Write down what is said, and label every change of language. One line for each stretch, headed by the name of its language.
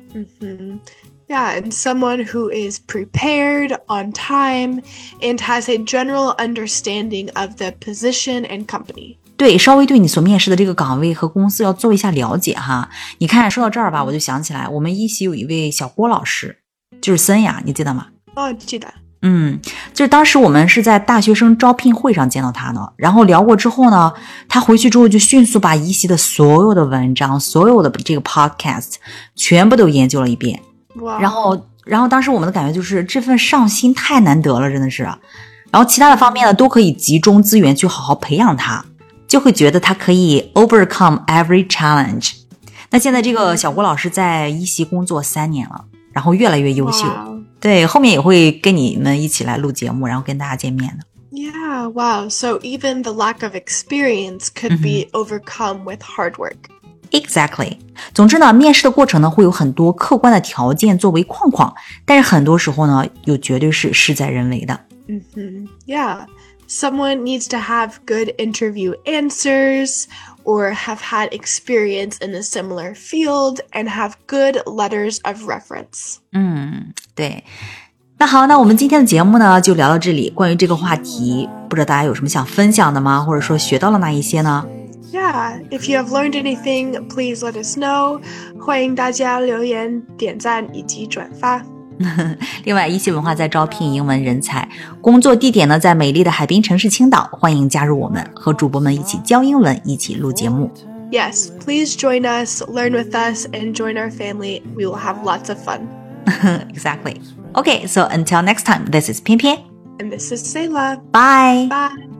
English: Mm-hmm. Yeah, and someone who is prepared on time and has a general understanding of the position and company.
Chinese: 对，稍微对你所面试的这个岗位和公司要做一下了解哈。你看，说到这儿吧，我就想起来，我们一席有一位小郭老师，就是森雅，你记得吗？哦，记得。嗯，就是当时我们是在大学生招聘会上见到他呢，然后聊过之后呢，他回去之后就迅速把一席的所有的文章，所有的这个 podcast 全部都研究了一遍。
English: Wow.
Chinese: 然后当时我们的感觉就是这份上心太难得了，真的是。然后其他的方面呢，都可以集中资源去好好培养他，就会觉得他可以
English: overcome every challenge。
Chinese: 那现在这个小郭老师在一席工作3年了，然后越来越优秀。
English: Wow.
Chinese: 对，后面也会跟你们一起来录节目，然后跟大家见面的。
English: Yeah, wow. So even the lack of experience could be overcome with hard work. Exactly.
Chinese: 总之呢，面试的过程呢会有很多客观的条件作为框框，但是很多时候呢又绝对是事在人为的。
English: Mm-hmm. Yeah. Someone needs to have good interview answers or have had experience in a similar field and have good letters of reference.
Chinese: 对。那好，那我们今天的节目呢就聊到这里。关于这个话题，不知道大家有什么想分享的吗？或者说学到了哪一些呢？
English: Yeah, if you have learned anything, please let us know.
Chinese: 欢迎大家留言、点赞以及转发。另外，一席文化在招聘英文人才，工作地点呢在美丽的海滨城市青岛。欢迎加入我们，和主播们一起教英文，一起录节目。
English: Yes, please join us, learn with us, and join our family. We will have lots of fun. Exactly. Okay, so until next time, this is Pian Pian. And this is Sayla. Bye. Bye.